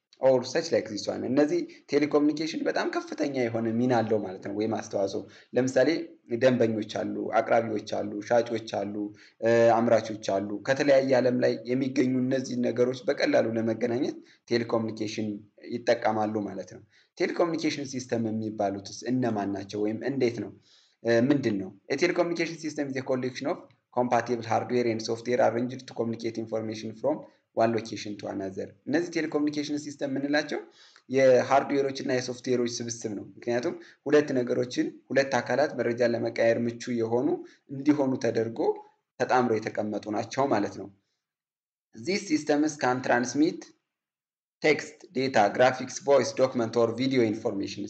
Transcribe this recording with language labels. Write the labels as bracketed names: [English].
[English] or such like this one. [Amharic] እነዚህ ቴሌኮሙኒኬሽን በጣም ከፍተኛ የሆነ ሚና አለው ማለት ነው ወይ ማስተዋጽኦ። ለምሳሌ ደንበኞች አሉ፣ አቅራቢዎች አሉ፣ ሻጮች አሉ፣ አምራቾች አሉ። ከተለያየ ዓለም ላይ የሚገኙ እነዚህ ነገሮች በቀላሉ ለመገናኘት ቴሌኮሙኒኬሽን ይጠቀማሉ ማለት ነው። ቴሌኮሙኒኬሽን ሲስተም የሚባሉትስ እነማን ናቸው ወይም እንዴት ነው ምንድነው? [English] A telecommunication system is a collection of compatible hardware and software arranged to communicate information from one location to another. [Amharic] እነዚህ telecommunication system ምንላቸው? የሃርድዌሮች እና የሶፍትዌሮች ስብስብ ነው። ምክንያቱም ሁለት ነገሮችን ሁለት አካላት መረጃ ለመቀያየር ምቹ የሆኑ እንዲሆኑ ተደርጎ ተጣምሮ የተቀመጡ ናቸው ማለት ነው። [English] These systems can transmit text, data, graphics, voice, document or video information.